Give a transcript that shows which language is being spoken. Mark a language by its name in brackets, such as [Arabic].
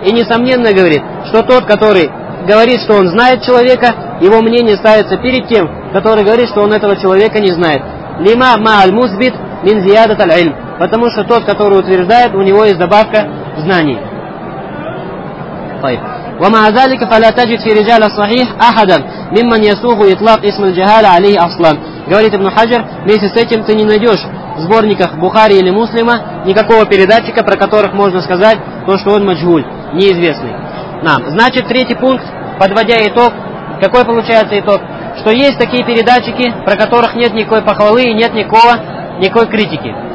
[Russian] И несомненно говорит, что тот, который говорит, что он знает человека, его мнение ставится перед тем, который говорит, что он этого человека не знает. [Arabic] لِمَا مَعَ الْمُثْبِتْ مِنْ زِيَادَةَ الْعِلْمِ. Потому что тот, который утверждает, у него есть добавка знаний. طيب. ومع ذلك فلا تجد في رجال الصحيح أحدا ممن يسوغ إطلاق اسم الجهالة عليه أصلا. [Russian] Говорит ابن حجر, вместе с этим ты не найдешь в сборниках Бухари или Муслима никакого передатчика, про которых можно сказать то, что он маджхуль, неизвестный. Нам. Значит, третий пункт, подводя итог, какой получается итог? Что есть такие передатчики, про которых нет никакой похвалы и нет никакой критики.